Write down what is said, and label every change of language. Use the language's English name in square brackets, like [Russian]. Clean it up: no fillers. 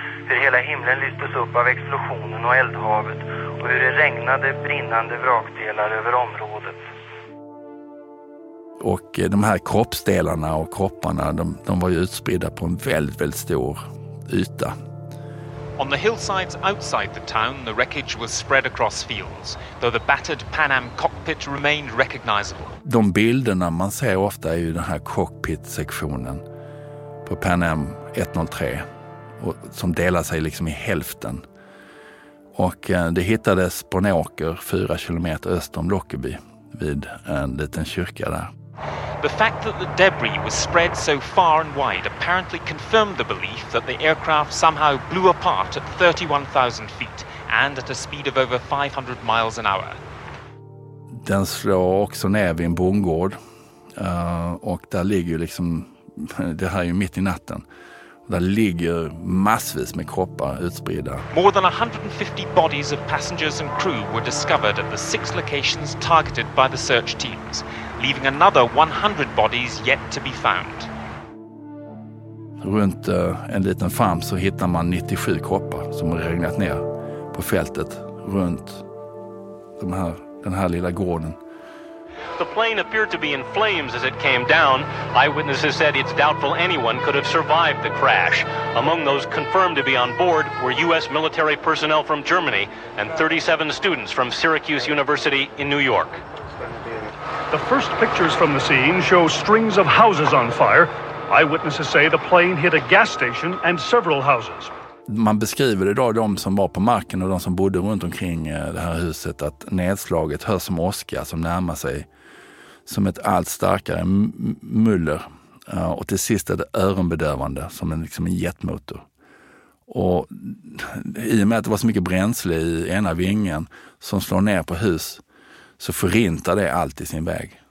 [Swedish] Hur hela himlen lystes upp av explosionen och eldhavet och hur det regnade brinnande vrakdelar över området. Och de här kroppsdelarna och kropparna, de var ju utspridda på en väldigt, väldigt stor yta. [English] On the hillsides outside the town, the wreckage was spread across fields, though the battered Pan Am cockpit remained recognizable. [Swedish] De bilderna man ser ofta är ju den här cockpit-sektionen på Pan Am 103, och som delar sig liksom i hälften. Och det hittades på en åker 4 kilometer öster om Lockerbie vid en liten kyrka där. [English] The fact that the debris was spread so far and wide apparently confirmed the belief that the aircraft somehow blew apart at 31,000 feet and at a speed of over 500 miles an hour. [Swedish] Den slår också ner vid en bondgård och där ligger ju liksom, det här är ju mitt i natten. Där ligger massvis med kroppar utspridda. [English] More than 150 bodies of passengers and crew were discovered at the 6 locations targeted by the search teams, leaving another 100 bodies yet to be found. [Swedish] Runt en liten farm så hittar man 97 kroppar som har regnat ner på fältet runt den här lilla gården. [English] The plane appeared to be in flames as it came down. Eyewitnesses said it's doubtful anyone could have survived the crash. Among those confirmed to be on board were U.S. military personnel from Germany and 37 students from Syracuse University in New York. The first pictures from the scene show strings of houses on fire. Eyewitnesses say the plane hit a gas station and several houses. [Swedish] Man beskriver idag de som var på marken och de som bodde runt omkring det här huset att nedslaget hörs som åska som närmar sig som ett allt starkare muller. Och till sist är det öronbedövande som en, liksom en jetmotor. Och i och med att det var så mycket bränsle i ena vingen som slår ner på hus, så förintar det allt i sin väg.